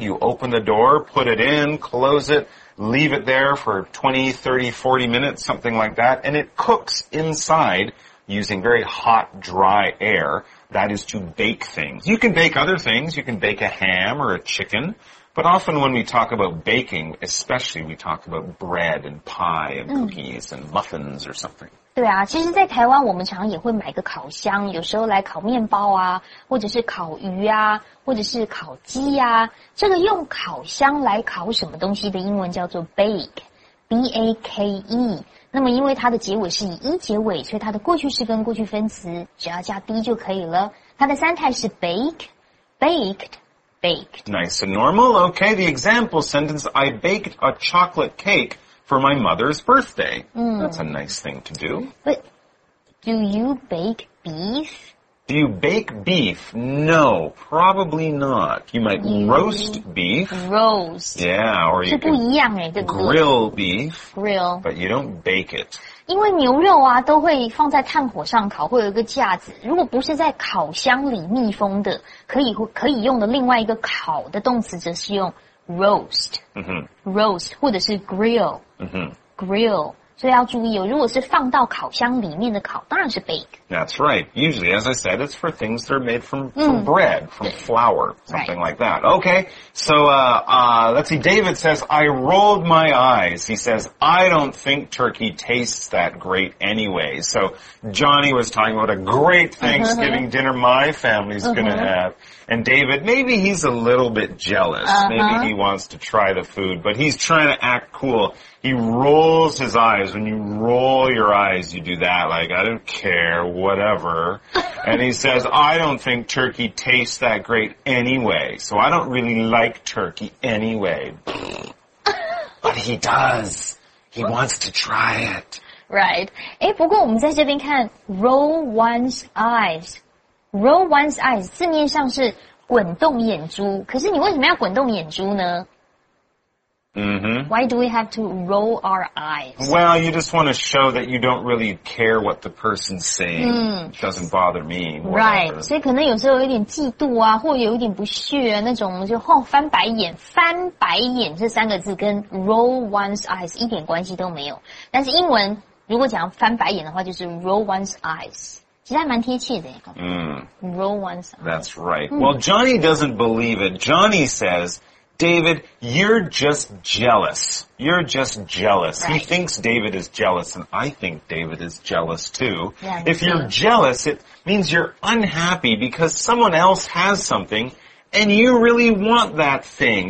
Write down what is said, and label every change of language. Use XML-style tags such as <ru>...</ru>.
<en>You open the door, put it in, close it, leave it there for 20, 30, 40 minutes, something like that, and it cooks inside using very hot, dry air. That is to bake things. You can bake other things. You can bake a ham or a chicken. But often when we talk about baking, especially we talk about bread and pie and cookies and muffins or something.</en> <zh>对啊，其实在台湾我们常也会买个烤箱，有时候来烤面包啊，或者是烤鱼啊，或者是烤鸡啊。这个用烤箱来烤什么东西的英文叫做 bake, B-A-K-E。那么因为它的结尾是以一结尾，所以它的过去式跟过去分词只要加 D 就可以了。它的三态是 bake, baked, baked.</zh> <en>Nice and normal. Okay, the example sentence, I baked a chocolate cake for my mother's birthday. That's a nice thing to do. But do you bake beef? Do you bake beef? No, probably not. You might roast beef. Roast. Yeah, or you can grill beef. Grill. But you don't bake it.</en> <zh>因为牛肉啊都会放在炭火上烤，会有一个架子。如果不是在烤箱里密封的，可以用的另外一个烤的动词则是用 roast. Roast, 或者是 grill. Grill. 所以要注意哦，如果是放到烤箱里面的烤，当然是 bake.</zh> <en>That's right. Usually, as I said, it's for things that are made from bread, from flour, something like that. Okay, so let's see. David says, I rolled my eyes. He says, I don't think turkey tastes that great anyway. So Johnny was talking about a great Thanksgiving dinner my family's going to have. And David, maybe he's a little bit jealous. Maybe he wants to try the food, but he's trying to act cool. He rolls his eyes. When you roll your eyes, you do that. Like, I don't care, whatever. And he says, I don't think turkey tastes that great anyway. So I don't really like turkey anyway. But he does. He wants to try it. Right.</en> <zh>诶不过我们在这边看 roll one's eyes. Roll one's eyes 字面上是滚动眼珠，可是你为什么要滚动眼珠呢？</zh> <en>Why do we have to roll our eyes? Well, you just want to show that you don't really care what the person's saying. It doesn't bother me.、Whatever. Right.</en> <zh>所以可能有时候有点嫉妒啊，或有一点不屑啊，那种就翻白眼，翻白眼这三个字跟 roll one's eyes 一点关系都没有。但是英文如果讲翻白眼的话，就是 roll one's eyes. 其实还蛮贴切的。Roll one's eyes.</zh> <en>That's right. Well, Johnny doesn't believe it. Johnny says, David, you're just jealous. You're just jealous. Right. He thinks David is jealous, and I think David is jealous, too. Yeah, If you're jealous, it means you're unhappy because someone else has something, and you really want that thing.</en>